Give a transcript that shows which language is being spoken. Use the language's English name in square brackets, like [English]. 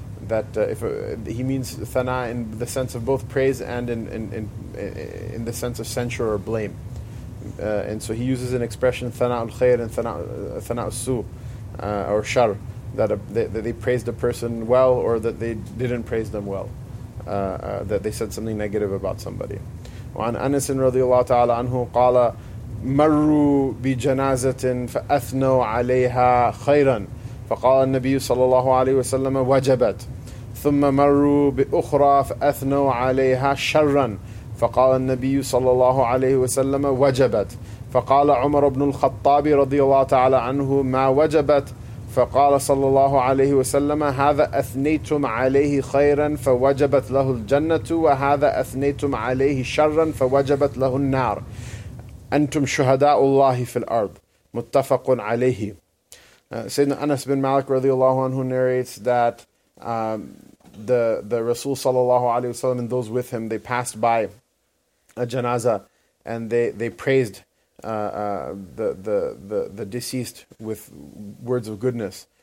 [English] that he means thana in the sense of both praise and in the sense of censure or blame. And so he uses an expression thana al-khair and thana al-su or shar, that they praised a person well or that they didn't praise them well, that they said something negative about somebody. [Arabic] وعن أنس رضي الله تعالى عنه قال مروا بجنازة فأثنوا عليها خيرا فقال النبي صلى الله عليه وسلم وجبت ثم مروا بأخرى فأثنوا عليها شرا فقال النبي صلى الله عليه وسلم وجبت فقال عمر بن الخطاب رضي الله تعالى عنه ما وجبت فقال صلى الله عليه وسلم هذا أثنيتم عليه خيرا فوجبت له الجنة وهذا أثنيتم عليه شرا فوجبت له النار أنتم شهداء الله في الأرض متفق عليه. [English] Sayyidina Anas bin Malik radiallahu anhu narrates that the Rasul sallallahu alayhi wa sallam and those with him, they passed by a janazah and they praised the deceased with words of goodness.